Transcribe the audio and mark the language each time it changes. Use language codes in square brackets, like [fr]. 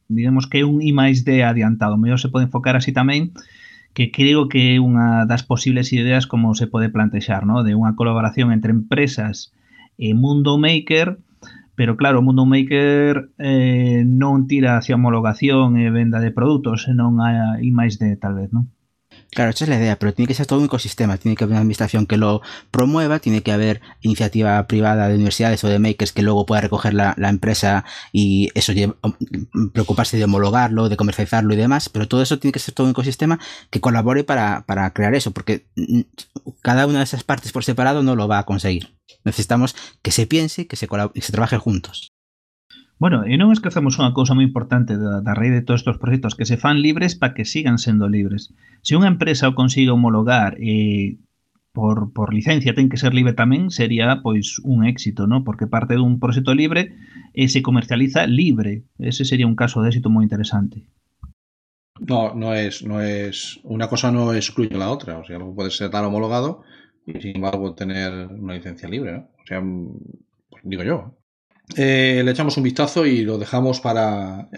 [gl] Digamos que é un I+D adiantado, a mellor se pode enfocar así tamén, que creo que é unha das posibles ideas como se pode plantexar, non? De unha colaboración entre empresas e Mundo Maker, pero claro, Mundo Maker non tira hacia homologación e venda de produtos, senón hai máis de tal vez, non? [es] Claro, esa es la idea, pero tiene que ser todo un ecosistema. Tiene que haber una administración que lo promueva, tiene que haber iniciativa privada de universidades o de makers que luego pueda recoger la empresa y eso preocuparse de homologarlo, de comercializarlo y demás. Pero todo eso tiene que ser todo un ecosistema que colabore para crear eso, porque cada una de esas partes por separado no lo va a conseguir. Necesitamos que se piense, que se trabaje juntos. [gl] Bueno, e non esquecemos unha cousa moi importante da raíz de todos estes proxectos, que se fan libres para que sigan sendo libres. Se unha empresa o consigue homologar por licencia ten que ser libre tamén, sería pois un éxito, ¿no? Porque parte dun proxecto libre e se comercializa libre. Ese sería un caso de éxito moi interesante. [es] No, no es una cosa no excluye a la otra, o sea, algo puede ser tan homologado y sin embargo tener una licencia libre, ¿no? O sea, pues digo yo. Le echamos un vistazo y lo dejamos para.